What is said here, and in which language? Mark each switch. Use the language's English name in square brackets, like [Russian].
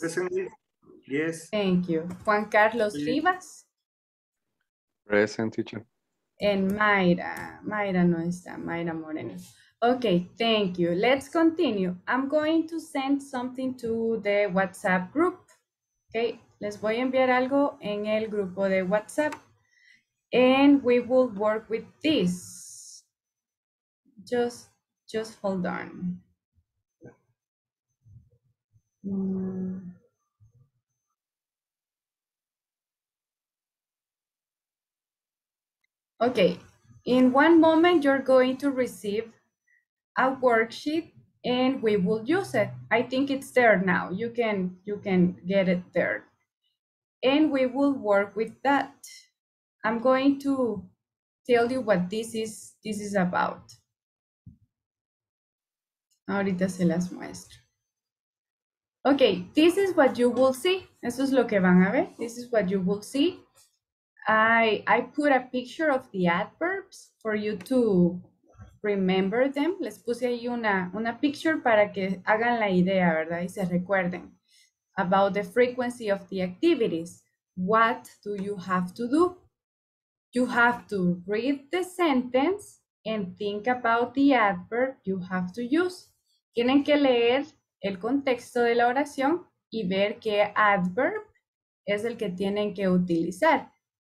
[English] Present, yes. Thank you. Juan Carlos Rivas. Present, teacher. And Mayra. [Spanish] Mayra no está. [English] Mayra Moreno. Okay, thank you. Let's continue. I'm going to send something to the WhatsApp group. [Spanish] Okay, les voy a enviar algo en el grupo de WhatsApp. [English] And we will work with this. Just hold on. Okay, in one moment you're going to receive a worksheet and we will use it. I think it's there now. You can get it there. And we will work with that. I'm going to tell you what this is about. [Spanish] Ahorita se las muestro. [English] Okay, this is what you will see. [Spanish] Eso es lo que van a ver. [English] This is what you will see. I put a picture of the adverbs for you to remember them. [Spanish] Les puse ahí una picture para que hagan la idea, ¿verdad? Y se recuerden. [English] About the frequency of the activities. What do you have to do? You have to read the sentence and think about the adverb you have to use. [Spanish] Tienen que leer el contexto de la oración y ver qué adverb es el que tienen que utilizar.